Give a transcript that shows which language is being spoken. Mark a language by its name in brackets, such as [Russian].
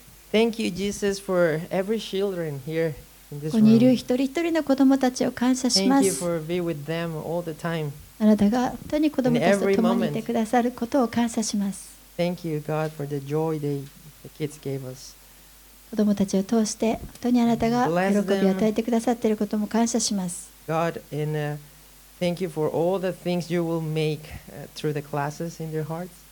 [English] Thank you, Jesus, for every children here in this room. [Japanese] ここにいる一人一人の子供たちを感謝します。 [English] Thank you for being with them all the time. [Japanese] あなたが本当に子供たちと共にいてくださることを感謝します。 [English] Thank you, God, for the joy the kids gave us. [Japanese] 子供たちを通して本当にあなたが喜びを与えてくださっていることも感謝します。 [English] God, and thank you for all the things you will make through the classes in their hearts.